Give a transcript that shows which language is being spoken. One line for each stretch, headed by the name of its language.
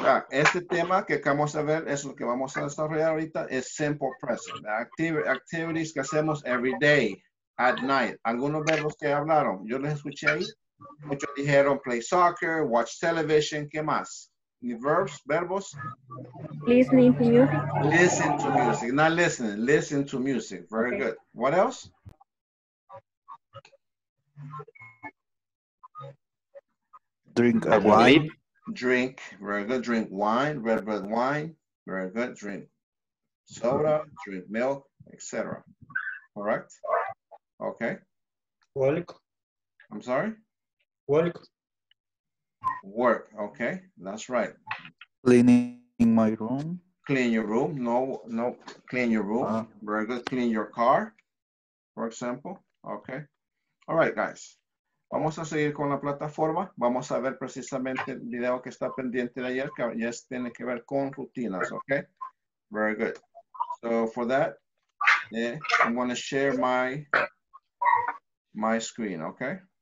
Spanish: Este tema que acabamos de ver es lo que vamos a desarrollar ahorita, es simple present.
English: Activities
Spanish: que hacemos
English: every day, at night.
Spanish: Algunos verbos que hablaron, yo les escuché ahí. Muchos dijeron
English: play soccer, watch television,
Spanish: ¿qué más? Verbos.
English: Listening to music. Listen to music, not listening, listen to music. Very okay. Good. What else? Drink a wine. Drink, very good. Drink wine, red wine, very good. Drink soda, drink milk, etc. Correct? Okay. Work. I'm sorry? Work. Work, okay. That's right. Cleaning my room. Clean your room. No. Clean your room. Very good. Clean your car, for example. Okay. All right, guys.
Spanish: Vamos a seguir con la plataforma. Vamos a ver precisamente el video que está pendiente de ayer, que ya tiene que ver con rutinas, ¿ok?
English: Very good. So for that, yeah, I'm going to share my screen, ¿ok?